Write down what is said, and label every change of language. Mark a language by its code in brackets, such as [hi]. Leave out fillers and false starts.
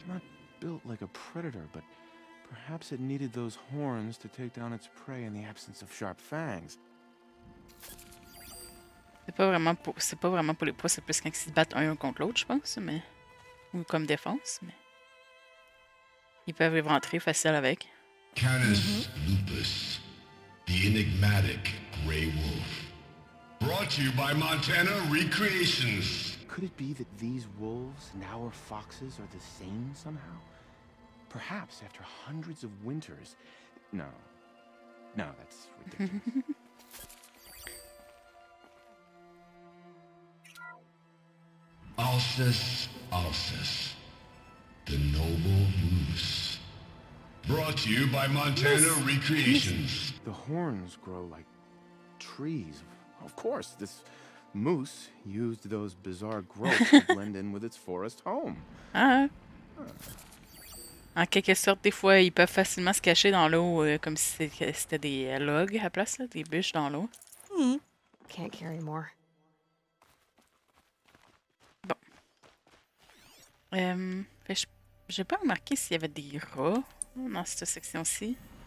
[en] Not built like a predator, but perhaps it needed those horns to take down its prey in the absence of sharp fangs. [fr] C'est pas vraiment pour les poids, c'est plus quand ils se battent un contre l'autre, je pense, mais. Ou comme défense, mais. Ils peuvent y rentrer facile avec. [en] Canis lupus, the enigmatic gray wolf. Brought to you by Montana Recreations. Could it be that these wolves and our foxes are the same somehow? Perhaps after hundreds of winters... No. No, that's ridiculous. Alsus, Alsus. The noble moose. Brought to you by Montana yes. Recreations. The horns grow like trees. Of course, this... Moose used those bizarre growths to blend in with its forest home. Ah. [fr] En quelque sorte, des fois, ils peuvent facilement se cacher dans l'eau comme si c'était des logs à la place, là, des bûches dans l'eau. [en] Can't carry more. [fr] Bon. J'ai pas remarqué s'il y avait des rats dans cette section-ci.